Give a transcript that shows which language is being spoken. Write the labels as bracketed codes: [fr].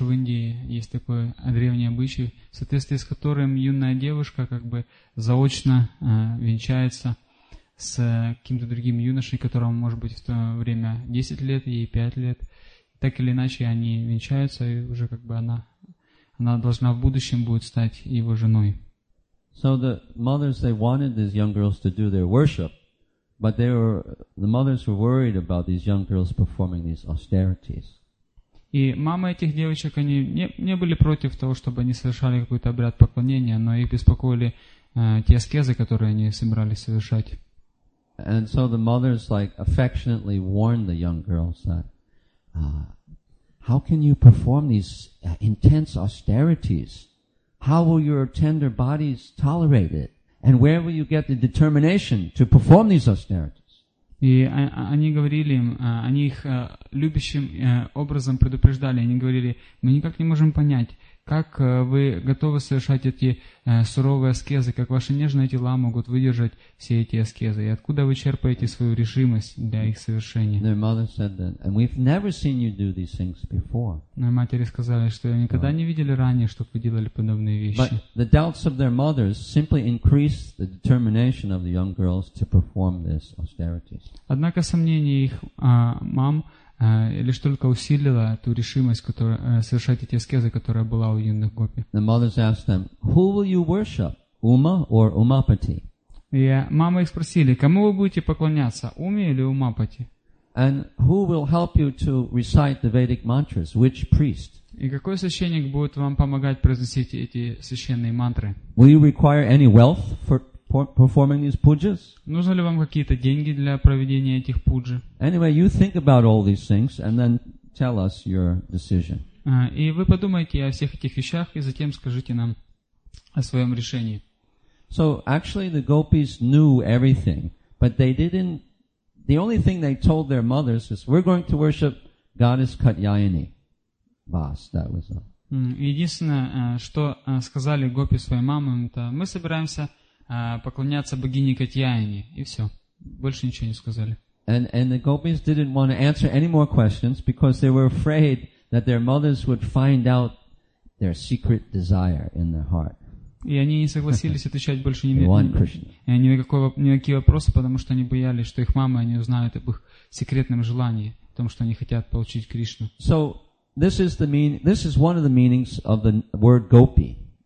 [ru] В Индии есть такой древний обычай, в соответствии с которым юная девушка как бы заочно венчается с каким-то другим юношей, которому может быть в то время 10 лет, ей 5 лет. Так или иначе, они венчаются, и уже как бы она должна в будущем будет стать его женой. [en] So the mothers, they wanted these young girls to do their worship. But the mothers were worried about these young girls performing these austerities. [ru] И мамы этих девочек, они не были против того, чтобы они совершали какой-то обряд поклонения, но их беспокоили те аскезы, которые они собирались совершать. [en] And so the mothers like affectionately warned the young girls that, how can you perform these intense austerities? How will your tender bodies tolerate it? And where will you get the determination to perform these austerities? [ru] И они говорили им, они их любящим образом предупреждали. Они говорили: мы никак не можем понять, как вы готовы совершать эти суровые аскезы, как ваши нежные тела могут выдержать все эти аскезы, и откуда вы черпаете свою решимость для их совершения? [en] Their mother said that, and we've never seen you do these things before. [ru] Но матери сказали, что никогда не видели ранее, чтобы вы делали подобные вещи. [en] But the doubts of their mothers simply increased the determination of the young girls to perform this austerities. [ru] Однако сомнения их мам лишь только усилила ту решимость, которая совершать эти аскезы, которая была у юных гопи. [en] The mothers asked them, "Who will you worship, Uma or Umapati?" [ru] И мамы их спросили, кому вы будете поклоняться, Уме или Умапати? [en] And who will help you to recite the Vedic mantras? Which priest? [ru] И какой священник будет вам помогать произносить эти священные мантры? [en] Will you require any wealth for performing these pujas? [ru] Нужны ли вам какие-то деньги для проведения этих пуджи? [en] Anyway, you think about all these things and then tell us your decision. [ru] И вы подумайте о всех этих вещах и затем скажите нам о своем решении. [en] So actually, the gopis knew everything, but they didn't. The only thing they told their mothers is, "We're going to worship goddess Katyayani." Boss, that was all. [ru] Единственное, что сказали гопи своим мамам, это мы собираемся поклоняться богине Катьяйне, и все. Больше ничего не сказали. [en] And the gopis didn't want to answer any more questions because they were afraid that their mothers would find out their secret desire in their heart. [ru] И они не согласились отвечать больше ни на какие вопросы, потому что они боялись, что их мамы они узнают об их секретном желании, о том, что они хотят получить Кришну. [en] So this is one of the meanings of the word gopi.